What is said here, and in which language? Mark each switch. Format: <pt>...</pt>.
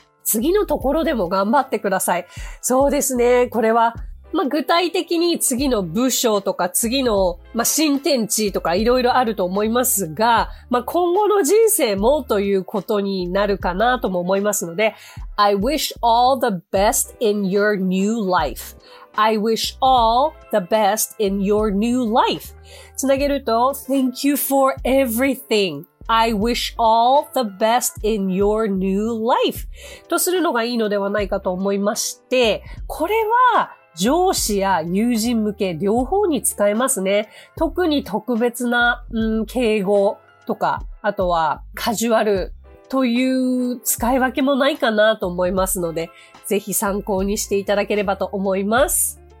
<ja>次のところでも頑張ってください。そうですね。これは。まあ、具体的に次の部署とか次の、まあ、新天地とかいろいろあると思いますが、まあ、今後の人生もということになるかなとも思いますので、</ja> <en>I wish all the best in your new life. I wish all the best in your new life.</en> <ja>つなげると、</ja> <en>Thank you for everything. I wish all the best in your new life.</en> <ja>とするのがいいのではないかと思いまして、これは、上司や友人向け両方に使えますね。特に特別な、敬語とか、あとはカジュアルという使い分けもないかなと思いますので、ぜひ参考にしていただければと思います。</ja>